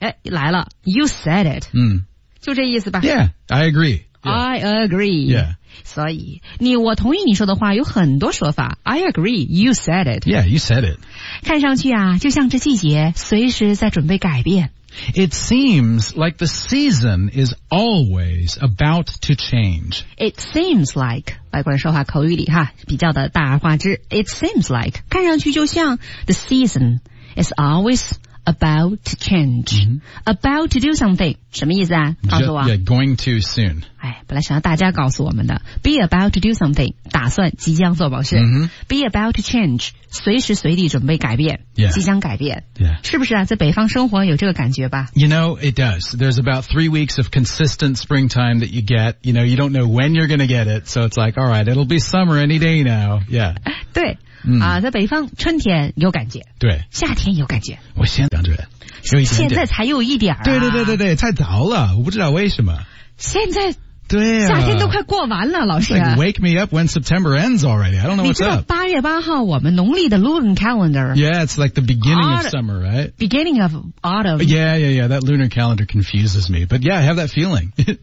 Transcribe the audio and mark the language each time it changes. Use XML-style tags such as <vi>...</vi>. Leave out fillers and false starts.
<zh>来了，</zh> <en>You said it.</en> <zh>就这意思吧。</zh> <en>Yeah, I agree. Yeah. I agree. Yeah.</en> <zh>所以，我同意你说的话有很多说法。</zh> <en>I agree, you said it. Yeah, you said it.</en> <zh>看上去啊，就像这季节随时在准备改变。</zh> <en>It seems like the season is always about to change. It seems like,</en> <zh>外国人说话口语里哈，比较的大而化之。</zh> <en>It seems like,</en> <zh>看上去就像</zh> <en>the season is always about to change. About to do something.</en> <zh>什么意思啊？告诉我。</zh> <en>Yeah, going to soon.</en> <zh>本来想要大家告诉我们的。</zh> <en>Be about to do something.</en> <zh>打算即将做某事。</zh> <en>Be about to change.</en> <zh>随时随地准备改变。即将改变。是不是啊? 在北方生活有这个感觉吧?</zh> <en>You know, it does. There's about 3 weeks of consistent springtime that you get. You know, you don't know when you're going to get it. So it's like, all right, it'll be summer any day now. Yeah.</en> <zh>对。在北方春天有感觉，对，夏天有感觉。我现在才有一点，现在才有一点，太早了，我不知道为什么。现在夏天都快过完了，老师。</zh> <en>It's like, wake me up when September ends already. I don't know what's up.</en> <zh>你知道8月8号我们农历的</zh> <en>lunar calendar. Yeah, it's like the beginning of summer, right? Beginning of autumn. Yeah. That lunar calendar confuses me, but yeah, I have that feeling.</en>